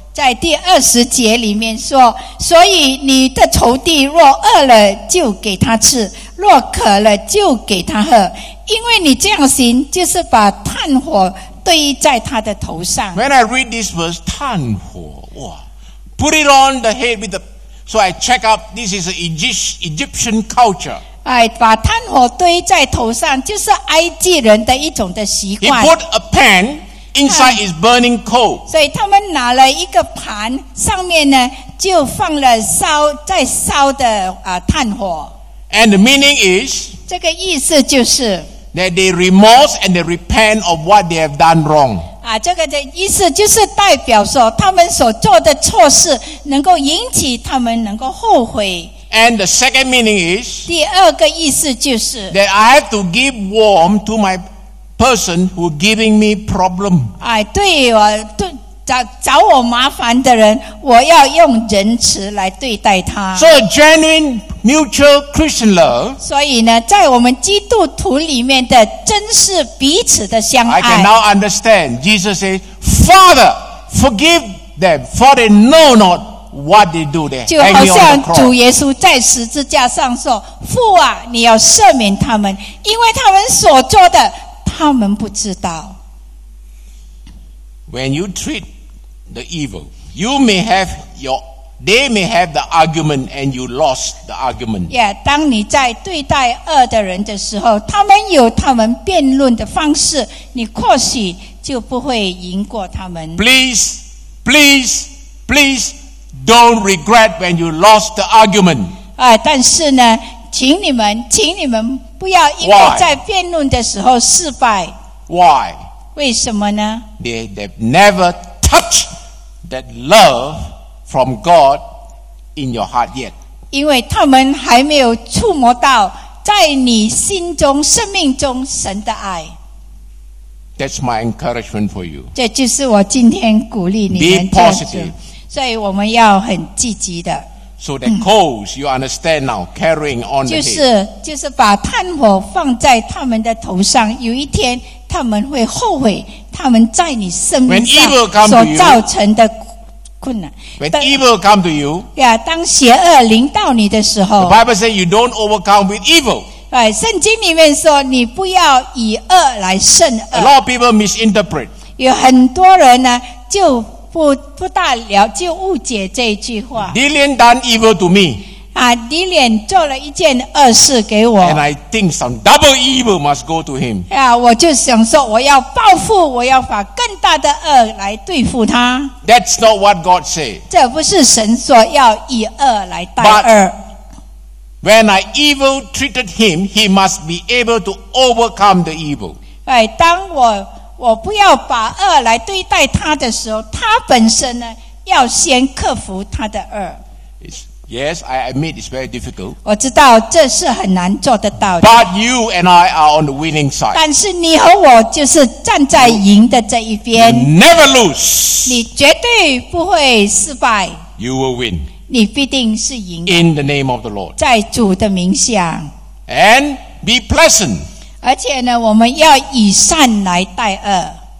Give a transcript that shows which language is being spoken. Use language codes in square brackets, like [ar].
[zh] 在第二十节里面说，所以你的仇敌若饿了就给他吃，若渴了就给他喝，因为你这样行，就是把炭火堆在他的头上。 [en] When I read this verse, [zh] 炭火，哇 [en] ，put it on the head with the, so I check up. This is Egyptian culture. [zh] 哎，把炭火堆在头上，就是埃及人的一种的习惯。 [en] He put a pan inside is burning coal. [zh] 所以他们拿了一个盘，上面呢就放了烧在烧的炭火。 [en] And the meaning is [zh] 这个意思就是。 [en] That they remorse and they repent of what they have done wrong. [zh] 啊，这个的意思就是代表说，他们所做的错事能够引起他们能够后悔。 [en] And the second meaning is [zh] 第二个意思就是 [en] that I have to give warm to my person who giving me problem. [zh] 啊，对我对找我麻烦的人，我要用仁慈来对待他。 [en] So genuine mutual Christian love. [zh] 所以呢，在我们基督徒里面的真是彼此的相爱。 [en] I can now understand. Jesus says, "Father, forgive them, for they know not what they do." They hang on the cross. [zh] 就好像主耶稣在十字架上说：“父啊，你要赦免他们，因为他们所做的，他们不知道。” [en] When you treat the evil, you may have your, they may have the argument and you lost the argument. [zh] Yeah, 当你在对待恶的人的时候，他们有他们辩论的方式，你或许就不会赢过他们。 [en] Please, please, please don't regret when you lost the argument. [zh] 但是呢，请你们不要因为在辩论的时候失败。 [en] Why? [zh] 为什么呢？ [en] They've never touched that love from God in your heart yet. [zh] 因为他们还没有触摸到在你心中、生命中神的爱。 [en] That's my encouragement for you. [zh] 这就是我今天鼓励你们。 [en] Be positive. [zh] 所以我们要很积极的。 [en] So that coals, you understand now, carrying on the head. [zh] 就是把炭火放在他们的头上，有一天他们会后悔他们在你生命上所造成的困难。 [en] When evil come to you, [zh] 当邪恶临到你的时候， [en] The Bible says you don't overcome with evil. [zh] 圣经里面说你不要以恶来胜恶。 [en] A lot of people misinterpret. [zh] 有很多人呢就不大了，就误解这句话。 [en] Dillian done evil to me. [zh] Dillian 做了一件恶事给我。 [en] And I think some double evil must go to him. [zh] 我就想说我要报复，我要把更大的恶来对付他。 [en] That's not what God said. [zh] 这不是神说要以恶来待恶。 [en] When I evil treated him, he must be able to overcome the evil. [zh] 当我不要把恶来对待他的时候，他本身呢要先克服他的恶。 [en] Yes, I admit it's very difficult. [zh] 我知道这是很难做得到的。 [en] But you and I are on the winning side. [zh] 但是你和我就是站在赢的这一边。 [en] You never lose. [zh] 你绝对不会失败。 [en] You will win. [zh] 你必定是赢的。 [en] In the name of the Lord. [zh] 在主的名下。 [en] And be pleasant. [zh] 而且呢，我们要以善来待恶。